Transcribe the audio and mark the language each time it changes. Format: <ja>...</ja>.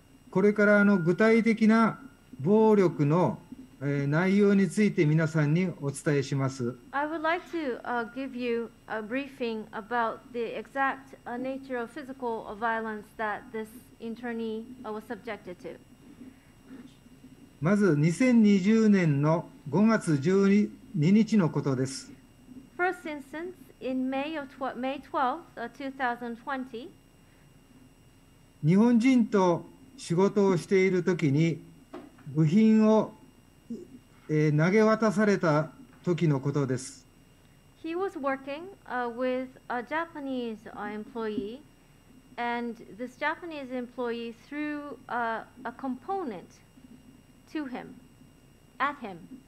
<ja>これから具体的な暴力の内容について皆さんにお伝えします。</ja> <en>I would like to give you a briefing about the exact nature of physical violence that this internee was subjected to.</en> <ja>まず2020年の5月12日のことです。</ja> <en>First instance, in May of May 12th, 2020,</en> <ja>日本人と仕事をしているときに部品を投げ渡されたときのことです。</ja> <en>He was working with a Japanese employee, and this Japanese employee threw a componentto him, at him.</en>